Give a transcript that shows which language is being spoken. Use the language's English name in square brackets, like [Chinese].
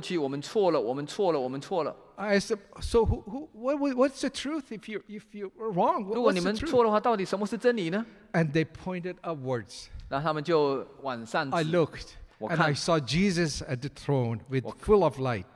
[Chinese] 他说哦我们过去我们错了。 [English] I said, so what's the truth if you were wrong? [Chinese] 如果你们错的话到底什么是真理呢? [English] And they pointed upwards. [Chinese] 然后他们就往上指。 [English] I looked. And I saw Jesus at the throne with full of light.